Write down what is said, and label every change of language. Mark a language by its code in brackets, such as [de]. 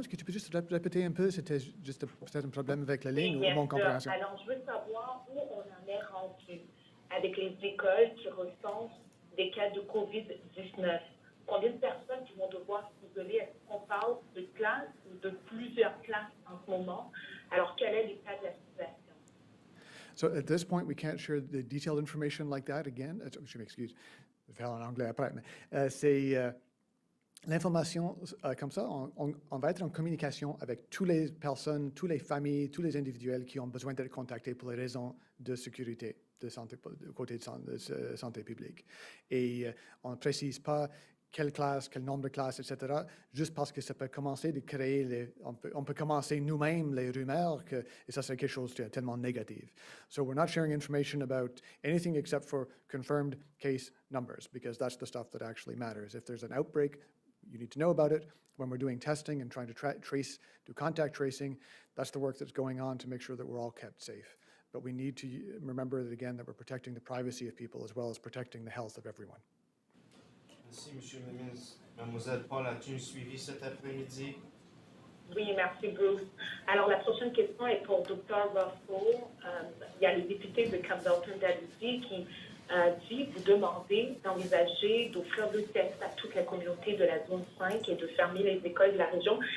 [fr] Est-ce que tu peux juste répéter un peu? C'était juste peut-être un problème avec la ligne ou mon compréhension. Alors, je veux savoir où on en est rendu avec les écoles qui recensent des cas de COVID-19. Combien de personnes qui vont devoir s'isoler? Est-ce qu'on parle de classes ou de plusieurs classes en ce moment? Alors, quel est l'état de la situation? [en] So at this point, we can't share the detailed information like that again. Excuse me, [fr] je vais en anglais après. C'est l'information comme ça. On va être en communication avec toutes les personnes, toutes les familles, tous les individuels qui ont besoin d'être contactés pour les raisons de sécurité, de santé, du côté de santé publique. Et on ne précise pas quelle classe, quel nombre de classes, etc., juste parce que ça peut commencer de créer, on peut commencer nous-mêmes les rumeurs, et ça serait quelque chose de tellement négatif. [en] So we're not sharing information about anything except for confirmed case numbers, because that's the stuff that actually matters. If there's an outbreak, you need to know about it. When we're doing testing and trying to do contact tracing, that's the work that's going on to make sure that we're all kept safe. But we need to remember that, again, that we're protecting the privacy of people as well as protecting the health of everyone. [fr] Merci, Monsieur le Ministre. Mademoiselle Paul, as-tu suivi cet après-midi? Oui, merci, Bruce. Alors, la prochaine question est pour Dr. Russell. Il y a le député de Campbellton d'Alizy qui dit vous demander d'envisager d'offrir le test à toute la communauté de la zone 5 et de fermer les écoles de la région.